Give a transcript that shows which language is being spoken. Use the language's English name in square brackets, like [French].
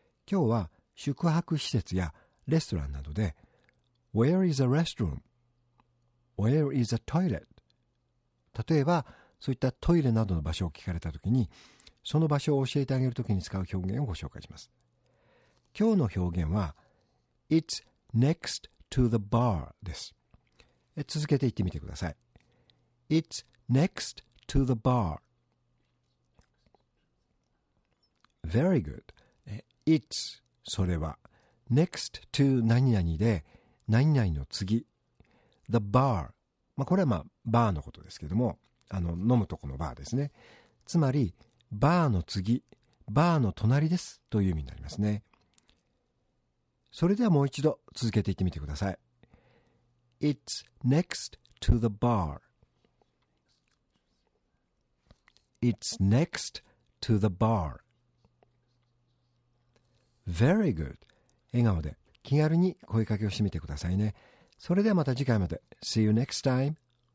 [Japanese] 今日は宿泊施設やレストランなどで、 [English] Where is a restroom? Where is a toilet? [Japanese] 例えば、そういったトイレなどの場所を聞かれたときに、その場所を教えてあげるときに使う表現をご紹介します。今日の表現は、 [English] It's next to the bar [Japanese] です。続けて言ってみてください。 [English] It's next to the bar. Very good. It's, [Japanese] それは、 [English] next to [Japanese] 何々で、何々の次。 [English] The bar. [Japanese] まあ、これはまあ、バーのことですけども、飲むとこのバーですね。つまり、バーの次、バーの隣ですという意味になりますね。それではもう一度続けていってみてください。 [English] It's next to the bar.It's next to the bar.Very good. [Japanese] 笑顔で気軽に声かけをしてみてくださいね。それではまた次回まで。 [English] See you next time.